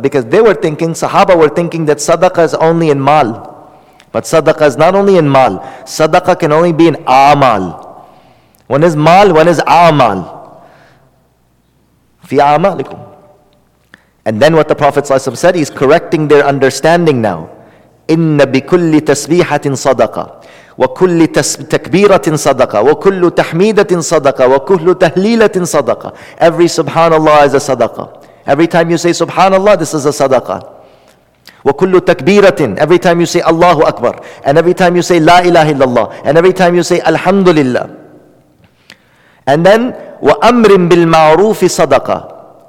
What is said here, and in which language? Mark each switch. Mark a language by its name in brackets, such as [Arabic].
[English] Because they were thinking, Sahaba were thinking that sadaqah is only in mal. But sadaqah is not only in mal. Sadaqah can only be in amal. One is mal, one is amal. [Arabic] Fi amalikum. [English] And then what the Prophet ﷺ said, he's correcting their understanding now. [Arabic] إِنَّ بِكُلِّ تَسْبِيحَةٍ صَدَقَةٍ وكل تكبيرة صدقة وكل تحميدة صدقة وكل تهليلة صدقة. [English] Every subhanallah is a sadaqah. Every time you say subhanallah, this is a sadaqah. [Arabic] وكل تكبيرة, [English] every time you say Allahu Akbar, and every time you say La ilaha illallah, and every time you say Alhamdulillah. And then [Arabic] وأمر بالمعروف صدقة